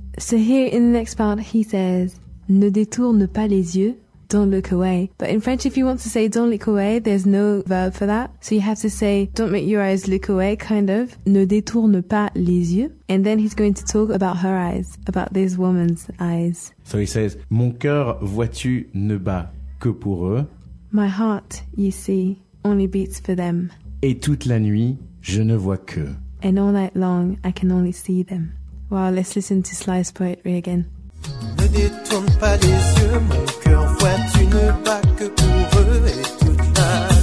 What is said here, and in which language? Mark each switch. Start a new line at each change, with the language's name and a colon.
English: So here in the next part, he says,
French: ne détourne pas les yeux.
English: Don't look away. But in French, if you want to say don't look away, there's no verb for that. So you have to say don't make your eyes look away, kind of.
French: Ne détourne pas les yeux.
English: And then he's going to talk about her eyes, about this woman's eyes. So he says,
French: mon cœur, vois-tu, ne bat que pour eux.
English: My heart, you see, only beats for them.
French: Et toute la nuit, je ne vois que.
English: And all night long, I can only see them. Well, let's listen to Sly's poetry again.
French: Ne détourne pas les yeux, mon cœur voit, tu ne bats que pour eux.